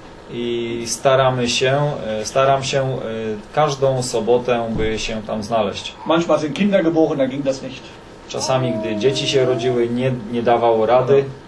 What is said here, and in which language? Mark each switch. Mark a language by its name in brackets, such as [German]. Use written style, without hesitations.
[Polish] I staramy się, staram się każdą sobotę, by się tam znaleźć. [German] Manchmal sind Kinder geboren, da ging das nicht. [Polish] Czasami, gdy dzieci się rodziły, nie dawało rady.